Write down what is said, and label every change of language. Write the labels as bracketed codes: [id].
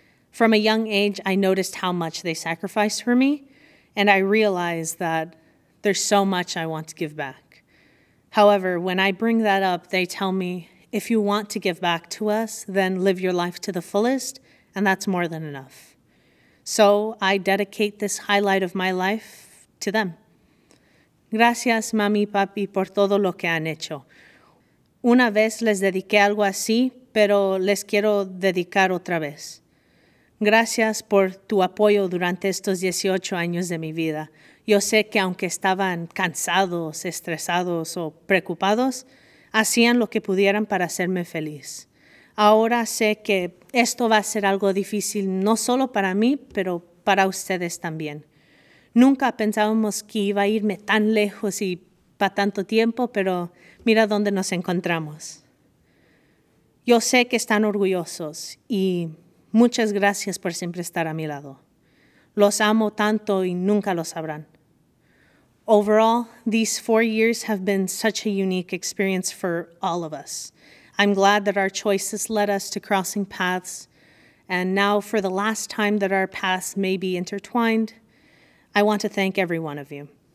[en] From a young age, I noticed how much they sacrificed for me, and I realized that there's so much I want to give back. However, when I bring that up, they tell me, if you want to give back to us, then live your life to the fullest, and that's more than enough. So I dedicate this highlight of my life to them. [es] Gracias, mami, papi, por todo lo que han hecho. Una vez les dediqué algo así, pero les quiero dedicar otra vez. Gracias por tu apoyo durante estos 18 años de mi vida. Yo sé que aunque estaban cansados, estresados o preocupados, hacían lo que pudieran para hacerme feliz. Ahora sé que esto va a ser algo difícil no solo para mí, pero para ustedes también. Nunca pensábamos que iba a irme tan lejos y para tanto tiempo, pero mira dónde nos encontramos. Yo sé que están orgullosos y muchas gracias por siempre estar a mi lado. Los amo tanto y nunca lo sabrán. [en] Overall, these 4 years have been such a unique experience for all of us. I'm glad that our choices led us to crossing paths, and now for the last time that our paths may be intertwined, I want to thank every one of you.